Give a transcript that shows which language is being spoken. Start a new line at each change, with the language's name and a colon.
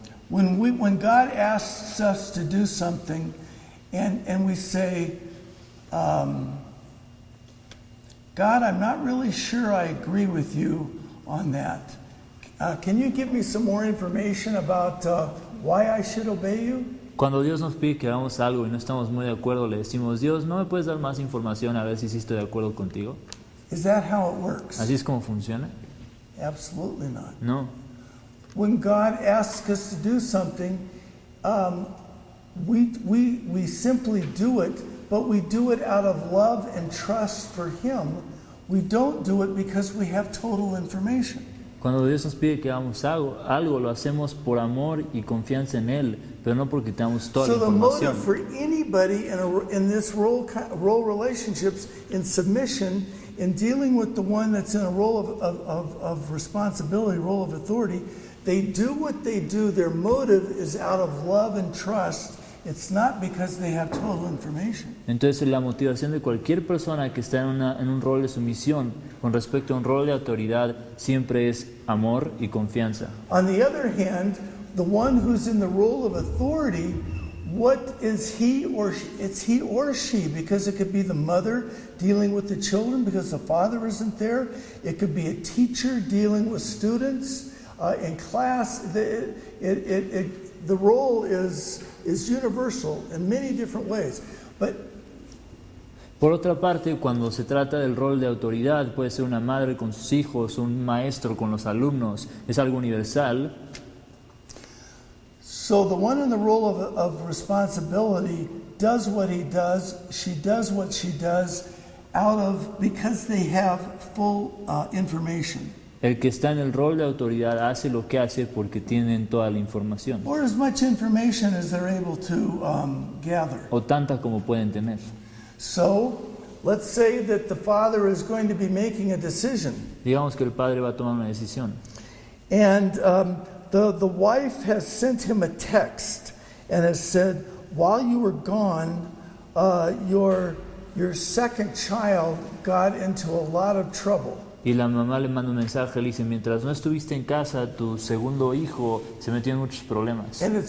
English: When God asks us to do something, and we say, God, I'm not really sure I agree with you on that. Can you give me some more information about why I should obey you?
Spanish: Cuando Dios nos pide que hagamos algo y no estamos muy de acuerdo, le decimos, Dios, ¿no me puedes dar más información a ver si sí estoy de acuerdo contigo?
English: Is that how it works?
Spanish: ¿Así es como funciona?
English: Absolutely not.
Spanish: No.
English: When God asks us to do something, we simply do it, but we do it out of love and trust for Him. We don't do it because we have total information.
Spanish: Cuando Dios nos pide que hagamos algo, lo hacemos por amor y confianza en Él, pero no porque tengamos toda la información.
English: So the motive for anybody in this role relationships, in submission, in dealing with the one that's in a role of responsibility, role of authority, they do what they do. Their motive is out of love and trust. It's not because they have total information. Entonces, la motivación de cualquier persona que está en un rol de sumisión con respecto a un rol de autoridad siempre es amor y confianza. On the other hand, the one who's in the role of authority, what is he or she? It's he or she, because it could be the mother dealing with the children because the father isn't there. It could be a teacher dealing with students in class. The role is universal in many different ways. But
Spanish: por otra parte, cuando se trata del rol de autoridad, puede ser una madre con sus hijos, un maestro con los alumnos, es algo universal.
English: So the one in the role of responsibility does what he does, she does what she does out of, because they have full information.
Spanish: El que está en el rol de autoridad hace lo que hace porque tienen toda la información.
English: Or as much information as they're able to gather.
Spanish: O tanta como pueden tener.
English: So, let's say that the father is going to be making a decision.
Spanish: Digamos que el padre va a tomar una decisión.
English: And the wife has sent him a text and has said, "While you were gone, your second child got into a lot of trouble."
Spanish: Y la mamá le manda un mensaje, le dice, mientras no estuviste en casa, tu segundo hijo se metió en muchos problemas.